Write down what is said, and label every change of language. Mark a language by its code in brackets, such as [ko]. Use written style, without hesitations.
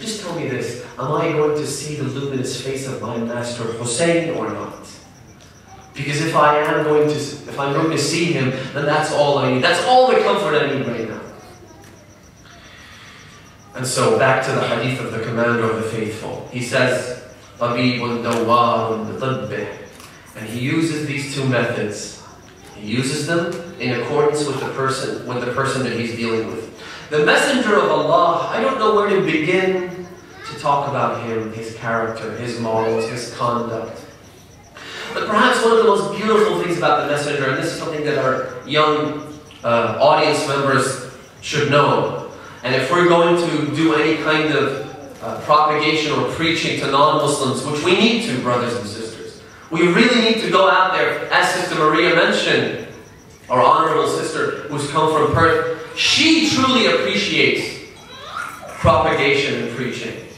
[en] Just tell me this, am I going to see the luminous face of my master Hussein or not? Because if I'm going to see him, then that's all I need. That's all the comfort I need right now. And so back to the hadith of the commander of the faithful. [ar] He says, طَبِيبٌ دَوَّارٌ بِطَبِّهِ. [en] And he uses these two methods. He uses them in accordance with the person that he's dealing with. The messenger of Allah, I don't know where to begin to talk about him, his character, his morals, his conduct. But perhaps one of the most beautiful things about the Messenger, and this is something that our young audience members should know, and if we're going to do any kind of propagation or preaching to non-Muslims, which we need to, brothers and sisters, we really need to go out there, as Sister Maria mentioned, our honorable sister who's come from Perth, she truly appreciates propagation and preaching.